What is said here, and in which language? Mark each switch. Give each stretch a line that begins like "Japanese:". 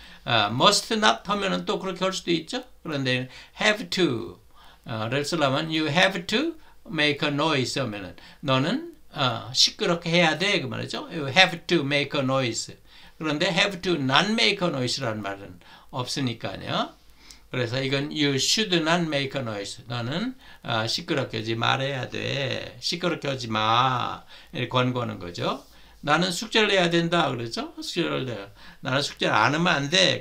Korean: Must not 하면은 또 그렇게 할 수도 있죠. 그런데 have to를 쓰려면
English: you have to make a noise
Korean: 하면은 너는 시끄럽게 해야 돼. 그 말이죠.
English: You have to make a noise.
Korean: 그런데
English: have to not make a noise
Korean: 라는 말은 없으니까요. 그래서 이건
English: you should not make a noise.
Korean: 너는 시끄럽게 하지 말아야 돼. 시끄럽게 하지 마. 이렇게 권고하는 거죠. 나는 숙제를 해야 된다. 그랬죠? 숙제를 내요. 나는 숙제를 안 하면 안 돼.